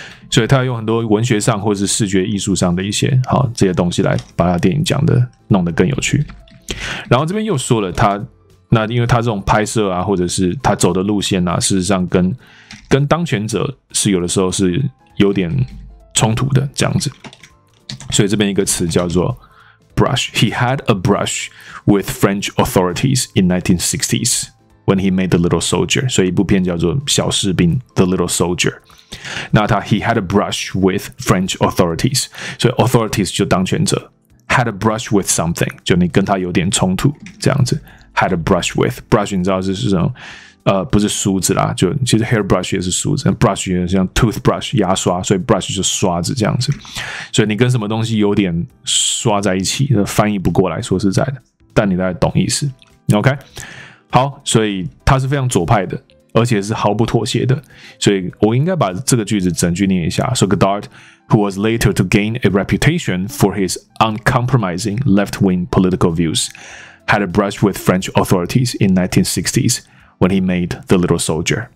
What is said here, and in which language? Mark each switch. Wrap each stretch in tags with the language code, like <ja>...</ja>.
<zh>所以他用很多文学上或是视觉艺术上的一些好这些东西来把他电影讲的弄得更有趣。然后这边又说了他那因为他这种拍摄啊或者是他走的路线啊事实上跟当权者是有的时候是有点冲突的这样子。所以这边一个词叫做 brush。</zh> <en>He had a brush with French authorities in 1960s when he made The Little Soldier。</en> <zh>所以一部片叫做小士兵 The Little Soldier。那他</zh> <en>he had a brush with French authorities，</en> <zh>所以 authorities 就当权者</zh> <en>had a brush with something，</en> <zh>就你跟他有点冲突这样子</zh> <en>had a brush with brush</en> <zh>你知道这是什么？不是梳子啦，就其实 hairbrush 也是梳子 ，brush 也像 toothbrush 牙刷，所以 brush 就是刷子这样子，所以你跟什么东西有点刷在一起，翻译不过来，说实在的，但你大概懂意思 ，OK？好，所以他是非常左派的。而且是毫不妥协的，所以我应该把这个句子整句念一下。</zh> <en>So Godard, who was later to gain a reputation for his uncompromising left-wing political views, had a brush with French authorities in 1960s when he made The Little Soldier.</en>